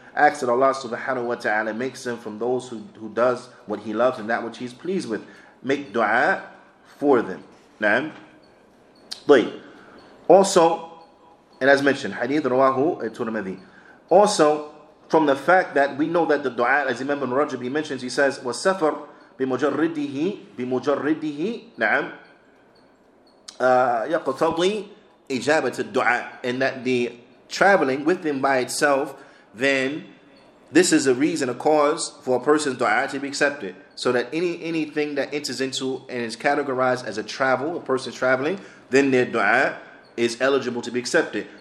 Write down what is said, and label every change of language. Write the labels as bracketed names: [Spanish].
[English] Ask that Allah subhanahu wa ta'ala makes them from those who does what he loves and that which he's pleased with. Make dua for them. Naam. طيب. Also, and as mentioned, hadith rawahu at-Tirmidhi. Also, from the fact that we know that the dua, as Imam ibn Rajab, he mentions, he says, wa safar [Arabic] بمجرده نعم يقتضي إجابة الدعاء. [English] And that the traveling with them by itself, then this is a reason, a cause for a person's dua to be accepted. So that anything that enters into and is categorized as a travel, a person traveling, then their dua is eligible to be accepted.